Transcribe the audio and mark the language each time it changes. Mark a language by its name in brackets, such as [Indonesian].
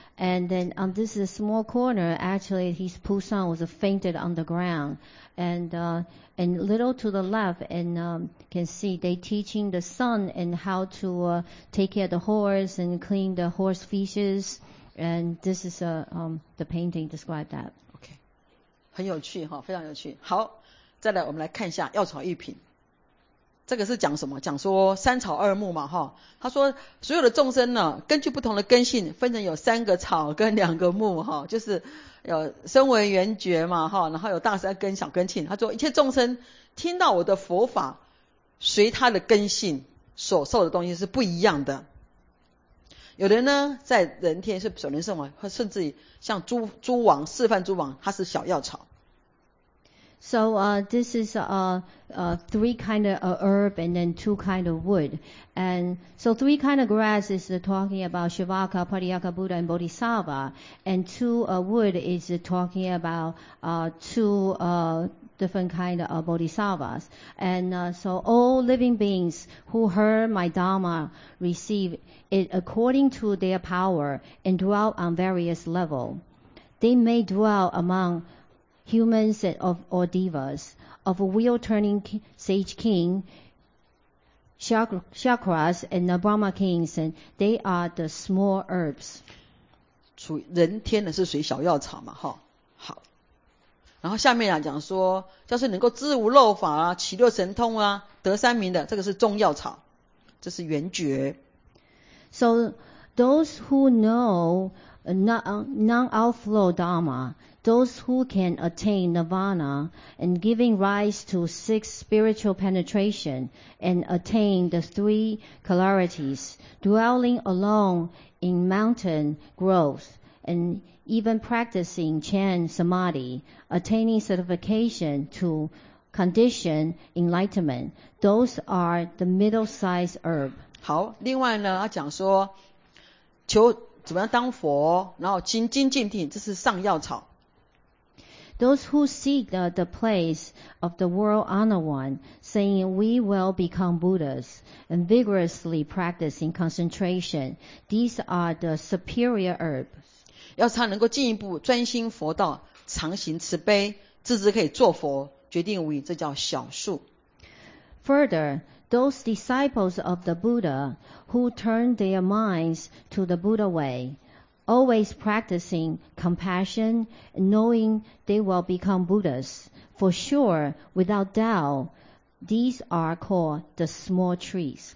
[English] And then on this small corner, actually his poor son was fainted on the ground. And little to the left, and can see they teaching the son and how to take care of the horse and clean the horse feces. And this is the painting described that. [Chinese] Okay. 很有趣齁，非常有趣。好，再来我们来看一下药草一品。这个是讲什么？讲说三草二木嘛，哈。他说所有的众生呢，根据不同的根性，分成有三个草跟两个木，哈，就是有声闻缘觉嘛，哈，然后有大三根、小根性。他说一切众生听到我的佛法，随他的根性所受的东西是不一样的。有的人呢，在人天是首轮圣王，甚至像诸王示范诸王，他是小药草。 [English] So this is three kind of herb and then two kind of wood. And so three kind of grass is talking about Shivaka, Pratyeka Buddha, and Bodhisattva. And two wood is talking about two different kind of Bodhisattvas. And so all living beings who heard my Dharma receive it according to their power and dwell on various level. They may dwell among humans or devas, of a wheel-turning sage king, chakras, and the Brahma kings, and they are the small herbs. [Chinese] 人天的是属于小药草嘛，哈，好。然后下面啊讲说，就是能够知无漏法啊，起六神通啊，得三明的，这个是中药草，这是圆觉。 [English] So those who know non-outflow Dharma, those who can attain Nirvana and giving rise to six spiritual penetration and attain the three clarities, dwelling alone in mountain growth and even practicing Chan Samadhi, attaining certification to condition enlightenment, those are the middle-sized herb. [Chinese] 好，另外呢，要讲说求怎么样当佛，然后精进定，这是上药草。 [English] Those who seek the place of the world honor one, saying we will become Buddhas, and vigorously practicing concentration, these are the superior herbs. [Chinese] 要是他能够进一步专心佛道，常行慈悲，自知可以做佛，决定无疑，这叫小树。 [English] Further, those disciples of the Buddha who turn their minds to the Buddha way, always practicing compassion, knowing they will become Buddhas. For sure, without doubt, these are called the small trees.